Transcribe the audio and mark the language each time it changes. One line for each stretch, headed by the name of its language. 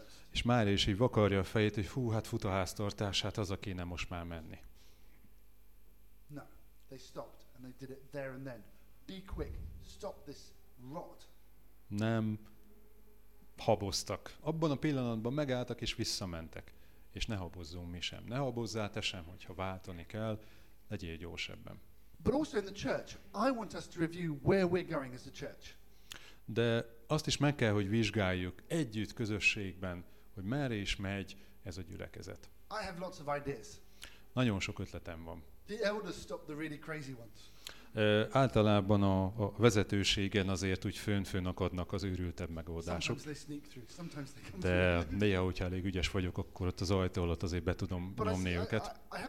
Hungarian: És Mária is így vakarja a fejét, hogy hú, hát fut a háztartás, hát az a kéne most már menni.
English: No, they stopped, and they did it there and then. Be quick, stop this rot.
Hungarian: Nem, haboztak. Abban a pillanatban megálltak és visszamentek. És ne habozzunk mi sem. Ne habozzál te sem, hogyha váltani kell, legyél gyorsabban.
English: But also in the church, I want us to review where we're going as a church.
Hungarian: De azt is meg kell, hogy vizsgáljuk együtt, közösségben, hogy merre is megy ez a gyülekezet.
English: I have lots of ideas.
Hungarian: Nagyon sok ötletem van.
English: The elders stop the really crazy ones.
Hungarian: Általában a vezetőségen azért úgy fönn-fönn akadnak az őrültebb megoldások. De néha, hogyha elég ügyes vagyok, akkor ott az ajtó alatt azért be tudom nyomni őket.